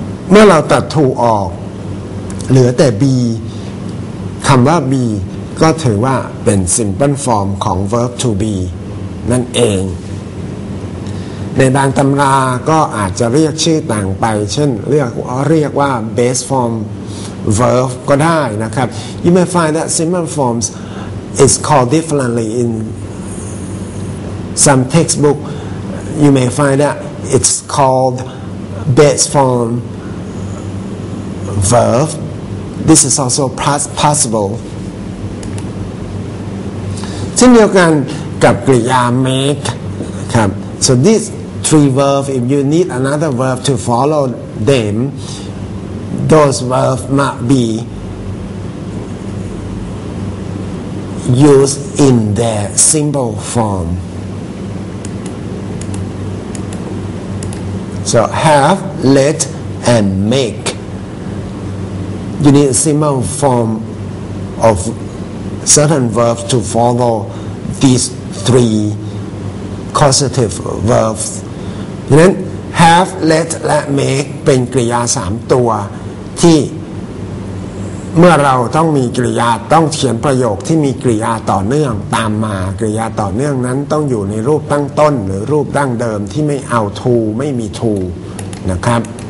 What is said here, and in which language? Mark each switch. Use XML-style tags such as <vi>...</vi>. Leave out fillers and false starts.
<th>เมื่อเราตัด to ออกเหลือแต่ be คำว่า be ก็ถือว่าเป็น simple form ของ verb to be นั่นเองในบางตำราก็อาจจะเรียกชื่อต่างไปเช่นเรียกว่า base form verb ก็ได้นะครับ</th> <en>You may find that simple forms is called differently in some textbook you may find out it's called bits from verb. This is also possible.</en> <th>เช่นเดียวกันกับกริยา make ครับ</th> <en>so these three verbs if you need another verb to follow them those verbs might beused in their simple form. So have, let, and make. You need a simple form of certain verbs to follow these three causative verbs. Then have, let, and make</en> <th>เป็นกริยาสามตัวที่เมื่อเราต้องมีกริยาต้องเขียนประโยคที่มีกริยาต่อเนื่องตามมากริยาต่อเนื่องนั้นต้องอยู่ในรูปตั้งต้นหรือรูปดั้งเดิมที่ไม่เอา to ไม่มี to นะครับ</th>